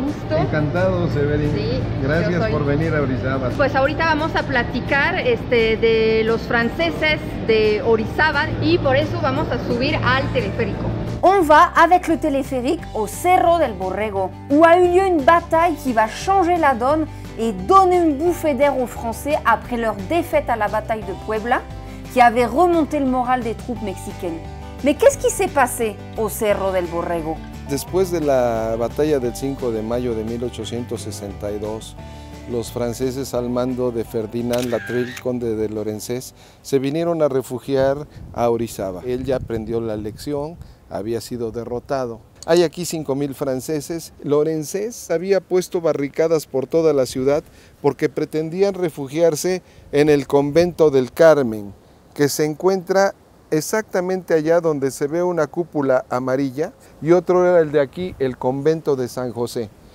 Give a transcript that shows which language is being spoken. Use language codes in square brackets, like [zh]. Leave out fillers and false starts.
[es] Encantado, Severin. Sí, gracias por venir a Orizaba. Pues ahorita vamos a platicar de los franceses de Orizaba y por eso vamos a subir al teleférico. [fr] On va avec le téléphérique au Cerro del Borrego, où a eu lieu une bataille qui va changer la donne et donner une bouffée d'air aux Français après leur défaite à la bataille de Puebla, qui avait remonté le moral des troupes mexicaines. Mais qu'est-ce qui s'est passé au Cerro del Borrego? [es] Después de la batalla del 5 de mayo de 1862, los franceses al mando de Ferdinand Latrille, conde de Lorenzés, se vinieron a refugiar a Orizaba. Él ya aprendió la lección, había sido derrotado. Hay aquí 5,000 franceses. Lorenzés había puesto barricadas por toda la ciudad porque pretendían refugiarse en el convento del Carmen, que se encuentra exactamente allá donde se ve una cúpula amarilla, y otro era el de aquí, el convento de San José.